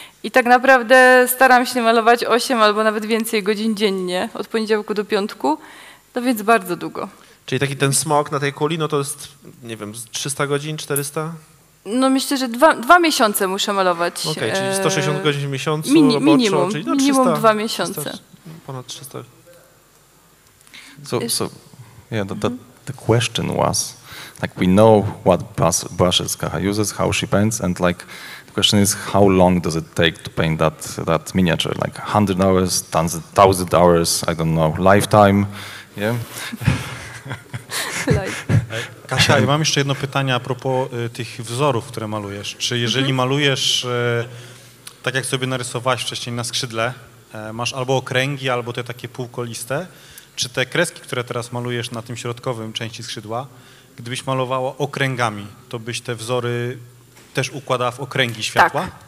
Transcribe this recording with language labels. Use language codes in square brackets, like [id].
[pl] I tak naprawdę staram się malować 8 albo nawet więcej godzin dziennie, od poniedziałku do piątku, no więc bardzo długo. Czyli taki ten smog na tej kuli, no to jest, nie wiem, 300 godzin, 400? No myślę, że dwa miesiące muszę malować. Okej, okay, czyli 160 godzin w miesiącu minimum, roboczo, czyli no 300, minimum dwa miesiące. 300, ponad 300. [en] So yeah, the question was, like, we know what brushes Kaha uses, how she paints, and like, the question is, how long does it take to paint that miniature? Like 100 hours, 1000 hours, I don't know, lifetime, yeah? [pl] Kasia, ja mam jeszcze jedno pytanie a propos tych wzorów, które malujesz. Czy jeżeli malujesz, tak jak sobie narysowałaś wcześniej na skrzydle, masz albo okręgi, albo te takie półkoliste, czy te kreski, które teraz malujesz na tym środkowym części skrzydła, gdybyś malowała okręgami, to byś te wzory też układała w okręgi światła?